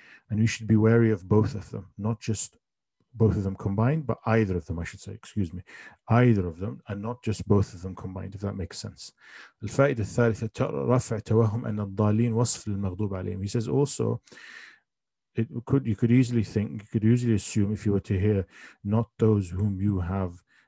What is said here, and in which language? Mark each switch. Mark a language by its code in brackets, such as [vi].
[en] And we should be wary of both of them, not just both of them combined, but either of them, I should say, excuse me, either of them, and not just both of them combined, if that makes sense. [ar] الفائدة الثالثة رفع توهم أن الضالين وصف للمغضوب عليهم. [en] He says also, you could easily assume if you were to hear, not those whom you have